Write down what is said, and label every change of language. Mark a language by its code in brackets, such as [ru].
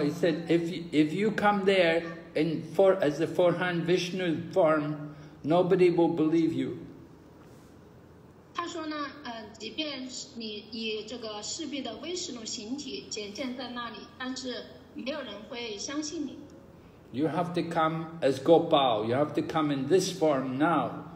[en] He said, if you come there in as the four-hand Vishnu form, nobody will believe you." [zh] 他说呢，即便你以这个侍婢的威士奴形体显现在那里，但是没有人会相信你。 [en] You have to come as Gopal. You have to come in this form now.